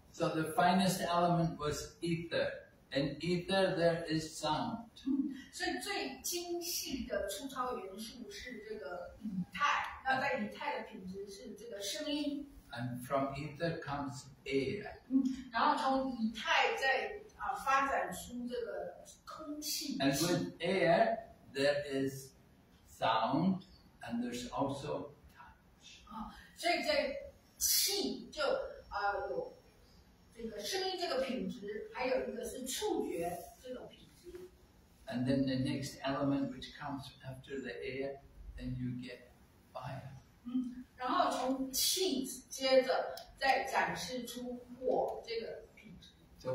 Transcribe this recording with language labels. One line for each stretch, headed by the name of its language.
English: So the finest element was ether. In ether there is sound.
Chinese: 所以最精细的粗糙元素是这个以太，那在以太的品质是这个声音。
English: And from ether comes air.
Chinese: 然后从以太再发展出这个空气。
English: And with air, there is sound, and there's also touch.
Chinese: 所以在气就有。这个声音这个品质，还有一个是触觉这种品质。And
English: then the next element which comes after the air, then you get fire.
Chinese: 然后从气接着再展示出火这个品质。So